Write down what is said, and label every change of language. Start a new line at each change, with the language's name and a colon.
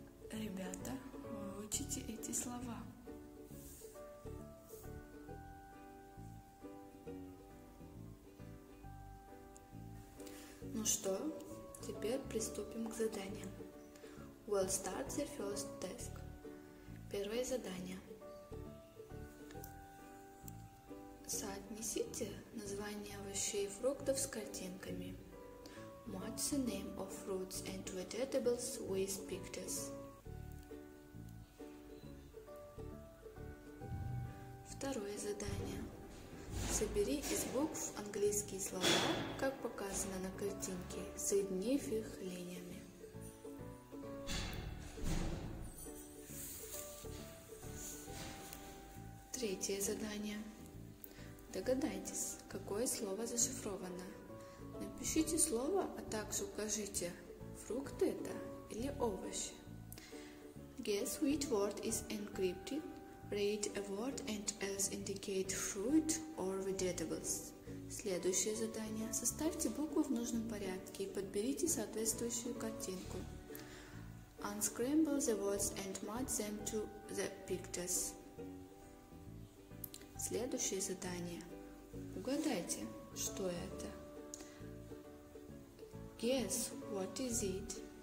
Russian: Ребята, выучите эти слова. Ну что, теперь приступим к заданиям.
English: We'll start the first task.
Russian: Первое задание. Соотнесите название овощей и фруктов с картинками.
English: Match the name of fruits and vegetables with pictures.
Russian: Второе задание. Собери из букв английские слова, как показано на картинке, соединив их линиями. Третье задание. Догадайтесь, какое слово зашифровано. Напишите слово, а также укажите, фрукт это или овощ.
English: Guess which word is encrypted? Read a word and else indicate fruit or vegetables.
Russian: Следующее задание. Составьте буквы в нужном порядке и подберите соответствующую картинку. Unscramble the words and match them to the pictures. Следующее задание. Угадайте, что это.
English: Guess what is it?